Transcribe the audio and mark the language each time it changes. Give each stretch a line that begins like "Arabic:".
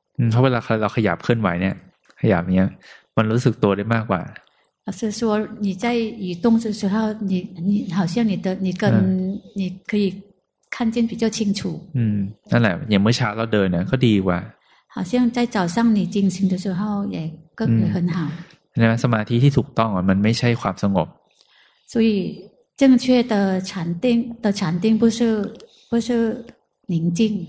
Thai: เพราะเวลาเราขยับเคลื่อนไหวเนี่ยขยับเนี่ยมันรู้สึกตัวได้มากกว่า
Chinese: อาจารย์说你在移动的时候你好像你跟你可以看见比较清楚
Thai: นั่นแหละอย่างเมื่อเช้าเราเดินเนี่ยก็ดีกว่า
Chinese: 好像在早上你进行的时候也更很好
Thai: ใช่ไหมสมาธิที่ถูกต้องมันไม่ใช่ความสงบ
Chinese: 所以正确的禅定的禅定不是宁静